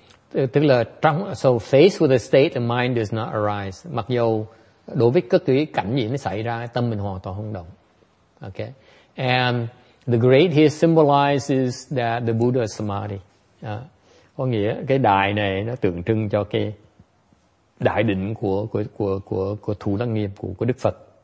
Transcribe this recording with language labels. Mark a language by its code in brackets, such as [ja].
[vi] Tức là trong, [en] so faced with a state the mind does not arise. [vi] Mặc dù đối với cái cảnh gì nó xảy ra, tâm mình hoàn toàn không động. [en] Okay? And the great here symbolizes that the Buddha is samadhi. [vi] Có nghĩa cái đài này nó tượng trưng cho cái đại định của Thủ Lăng Nghiêm của Đức Phật.